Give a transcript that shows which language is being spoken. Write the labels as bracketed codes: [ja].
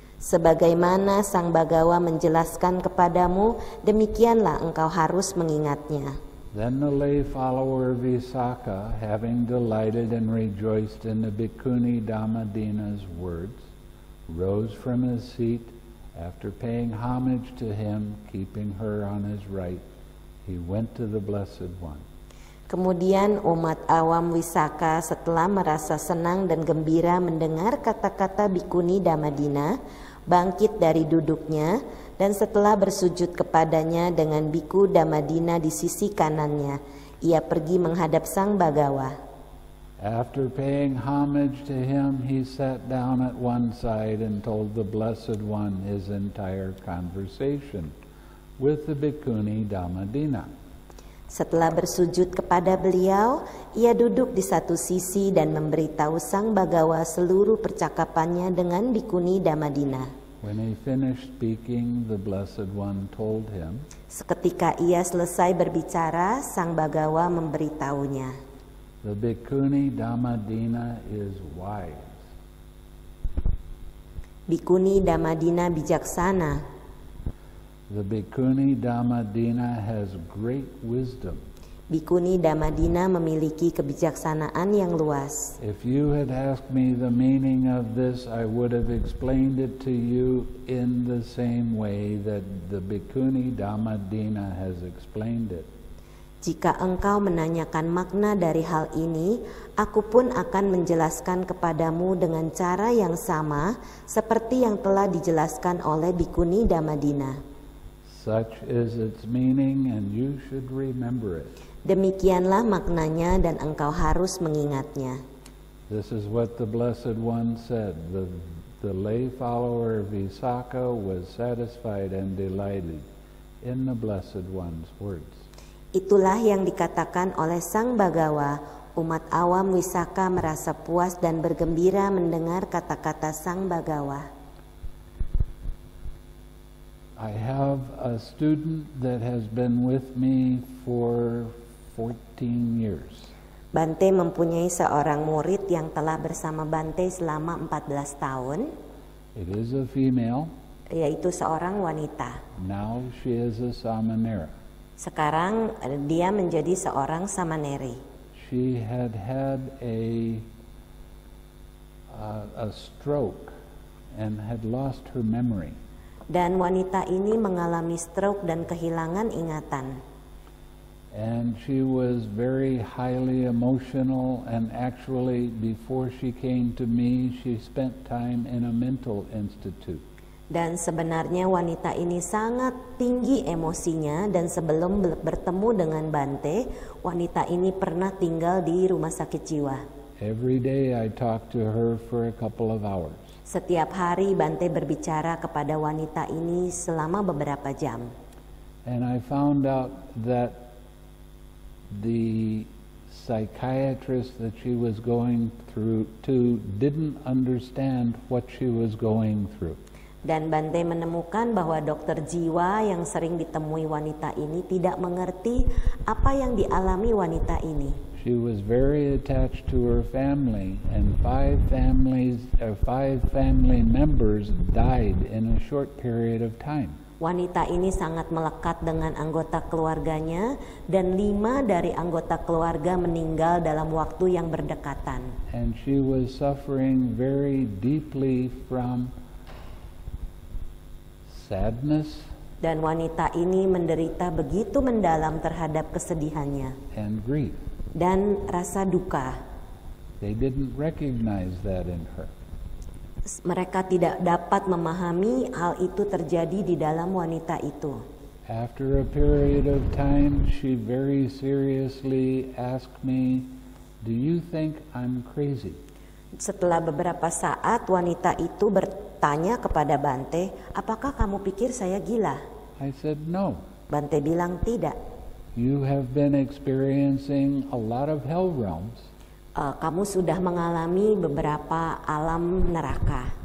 [ms] Sebagaimana Sang Bhagawa menjelaskan kepadamu, demikianlah engkau harus mengingatnya. [en] Then the lay follower Visakha, having delighted and rejoiced in the Bhikkhuni Dhammadina's words, rose from his seat after paying homage to him, keeping her on his right. He went to the Blessed One. [ms] Kemudian umat awam Visakha setelah merasa senang dan gembira mendengar kata-kata Bhikkhuni Dhammadina, bangkit dari duduknya, dan setelah bersujud kepadanya dengan Bhikkhu Dhammadina di sisi kanannya, ia pergi menghadap Sang Bhagawa. [en] After paying homage to him, he sat down at one side and told the Blessed One his entire conversation with the Bhikkhuni Dhammadina. [ms] Setelah bersujud kepada beliau, ia duduk di satu sisi dan memberitahu Sang Bhagawa seluruh percakapannya dengan Bhikkhuni Dhammadina. [en] When he finished speaking, the Blessed One told him, [ms] seketika ia selesai berbicara, Sang Bhagawa memberitahunya, [en] the Bhikkhuni Dhammadina is wise. [ms] Bhikkhuni Dhammadina bijaksana. [en] The Bhikkhuni Dhammadina has great wisdom. [ms] Bhikkhuni Dhammadina memiliki kebijaksanaan yang luas. [en] If you had asked me the meaning of this, I would have explained it to you in the same way that the Bhikkhuni Dhammadina has explained it. [ms] Jika engkau menanyakan makna dari hal ini, aku pun akan menjelaskan kepadamu dengan cara yang sama seperti yang telah dijelaskan oleh Bhikkhuni Dhammadina. [en] Such is its meaning, and you should remember it. [ms] Demikianlah maknanya dan engkau harus mengingatnya. [en] This is what the Blessed One said. The lay follower Visakha was satisfied and delighted in the Blessed One's words. [ms] Itulah yang dikatakan oleh Sang Bhagawa. Umat awam Visakha merasa puas dan bergembira mendengar kata-kata Sang Bhagawa. [en] I have a student that has been with me for 14 years. [ms] Bhante mempunyai seorang murid yang telah bersama Bhante selama 14 tahun. [en] It is a female. [ms] Yaitu seorang wanita. [en] Now she is a samanera. [ms] Sekarang dia menjadi seorang samaneri. [en] She had had a stroke and had lost her memory. [ms] Dan wanita ini mengalami stroke dan kehilangan ingatan. [en] And she was very highly emotional, and actually before she came to me, she spent time in a mental institute. [ms] Dan sebenarnya wanita ini sangat tinggi emosinya, dan sebelum bertemu dengan Bhante, wanita ini pernah tinggal di rumah sakit jiwa. [en] Every day I talked to her for a couple of hours. [ms] Setiap hari Bhante berbicara kepada wanita ini selama beberapa jam. [en] And I found out that the psychiatrist that she was going through to didn't understand what she was going through. [ms] Dan Bhante menemukan bahwa dokter jiwa yang sering ditemui wanita ini tidak mengerti apa yang dialami wanita ini. [en] She was very attached to her family, and five family members died in a short period of time. [ms] Wanita ini sangat melekat dengan anggota keluarganya, dan lima dari anggota keluarga meninggal dalam waktu yang berdekatan. [en] And she was suffering very deeply from sadness. [ms] Dan wanita ini menderita begitu mendalam terhadap kesedihannya. [en] And grief. [ms] Dan rasa duka. [en] They didn't recognize that in her. [ms] Mereka tidak dapat memahami hal itu terjadi di dalam wanita itu. [en] After a period of time, she very seriously asked me, "Do you think I'm crazy?" [ms] Setelah beberapa saat, wanita itu bertanya kepada Bhante, "Apakah kamu pikir saya gila?" [en] I said, "No." [ms] Bhante bilang, "Tidak." [en] You have been experiencing a lot of hell realms. [ms] kamu sudah mengalami beberapa alam neraka.